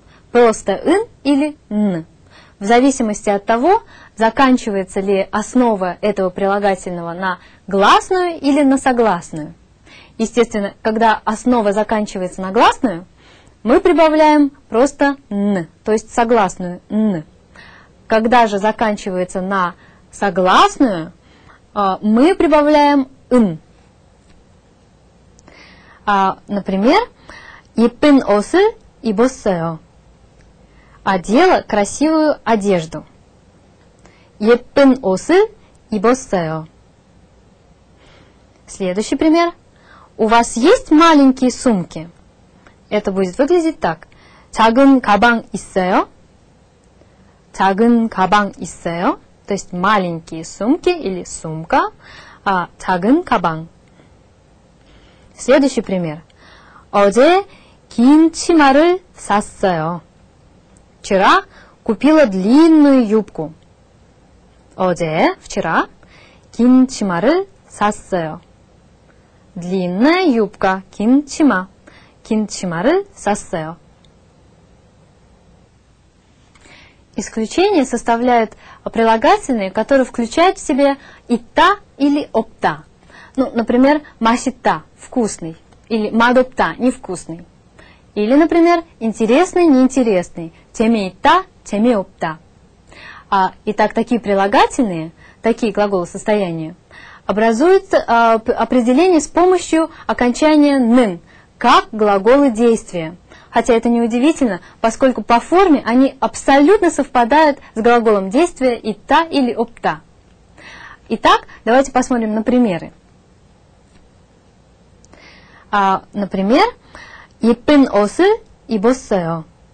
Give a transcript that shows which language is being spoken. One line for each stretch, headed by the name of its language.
Russian: Просто «н» или «н». В зависимости от того, заканчивается ли основа этого прилагательного на гласную или на согласную. Естественно, когда основа заканчивается на гласную, мы прибавляем просто «н», то есть согласную «н». Когда же заканчивается на согласную, мы прибавляем «н».
Korean: А, например, «예쁜 옷을 입었어요».
Russian: Одела красивую одежду.
Korean: 예쁜 옷을 입었어요.
Russian: Следующий пример. У вас есть маленькие сумки? Это будет выглядеть так.
Korean: 작은 가방 있어요? 작은 가방 있어요?
Russian: То есть маленькие сумки или сумка.
Korean: 작은 가방.
Russian: Следующий пример.
Korean: 어제 긴 치마를 샀어요.
Russian: Вчера купила длинную юбку.
Korean: 어제,
Russian: вчера,
Korean: 긴 치마를 샀어요.
Russian: Длинная юбка,
Korean: 긴 치마. 긴 치마를 샀어요.
Russian: Исключение составляют прилагательные, которые включают в себе итта или опта. Ну, например, масита, вкусный, или мадопта, невкусный. Или, например, интересный, неинтересный. Теме итта, теме опта. Итак, такие прилагательные, такие глаголы состояния, образуют определение с помощью окончания «нын», как глаголы действия. Хотя это не удивительно, поскольку по форме они абсолютно совпадают с глаголом действия «итта» или «опта». Итак, давайте посмотрим на примеры.
Korean: Например, 예쁜 옷을 입었어요.